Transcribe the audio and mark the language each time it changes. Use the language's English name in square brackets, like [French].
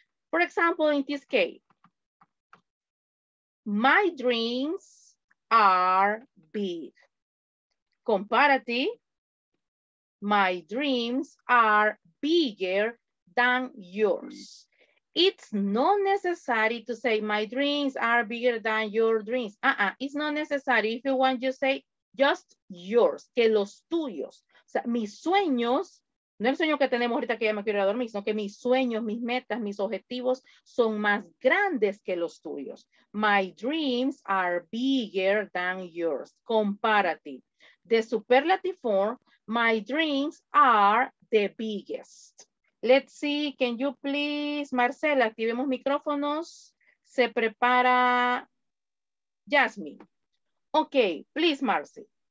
[English] For example, in this case, my dreams are big. comparative, my dreams are bigger than yours. It's not necessary to say my dreams are bigger than your dreams. It's not necessary. If you want, you say just yours, [Spanish] que los tuyos. O sea, mis sueños, no el sueño que tenemos ahorita que ya me quiero ir a dormir, sino que mis sueños, mis metas, mis objetivos son más grandes que los tuyos. [English] My dreams are bigger than yours. Comparative. The superlative form, my dreams are the biggest. Let's see, can you please, Marcela, [Spanish] activemos micrófonos. Se prepara Jasmine. [English] Okay, please, [Spanish] Marcy.